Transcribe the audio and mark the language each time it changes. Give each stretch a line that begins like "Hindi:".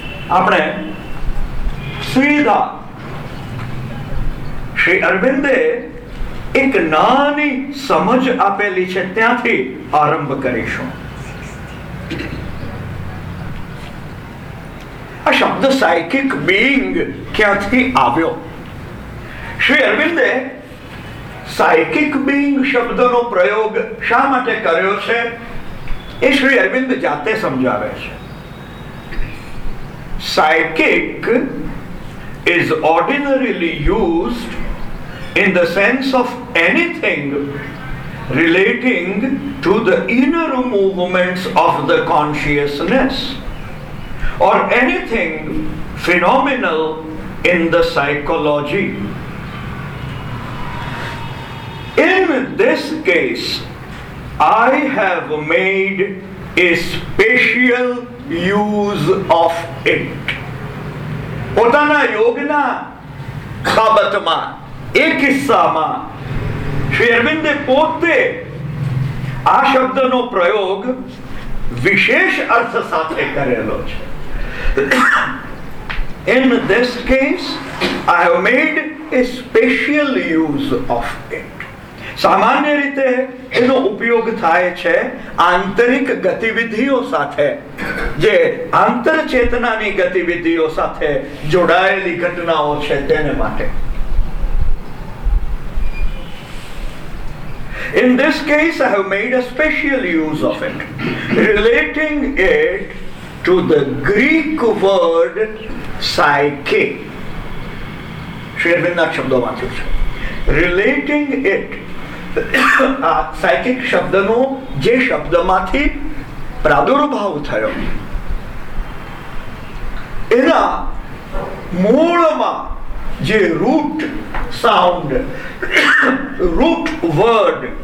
Gujarati: આપણે સીધા શ્રી અરવિંદે એક નાની સમજ આપેલી છે ત્યાંથી આરંભ કરીશું. આ શબ્દ
English: the psychic being
Gujarati: ક્યાંથી આવ્યો? શ્રી અરવિંદે સાયકિક બીંગ શબ્દનો પ્રયોગ શા માટે કર્યો છે એ શ્રી અરવિંદ જાતે સમજાવે છે.
English: Psychic is ordinarily used in the sense of anything relating to the inner movements of the consciousness or anything phenomenal in the psychology. In this case, I have made a special use of it.
Gujarati: પોતાના યોગના બાબતમાં એ કિસ્સામાં શ્રી અરવિંદે પોતે આ શબ્દનો પ્રયોગ વિશેષ અર્થ સાથે કરેલો છે.
English: In this case, I have made a special use of it.
Gujarati: સામાન્ય રીતે એનો ઉપયોગ થાય છે આંતરિક ગતિવિધિઓ સાથે, જે આંતરચેતનાની ગતિવિધિઓ સાથે જોડાયેલી ઘટનાઓ છે તેને માટે.
English: In this case, I have made a special use of it, relating it to the Greek word psyche.
Gujarati: Shri અરવિંદના શબ્દોમાંથી છે.
English: Relating it,
Gujarati: આ સાયકિક શબ્દનો જે શબ્દમાંથી પ્રાદુર્ભાવ થયો એના મૂળમાં જે રૂટ સાઉન્ડ, રૂટ વર્ડ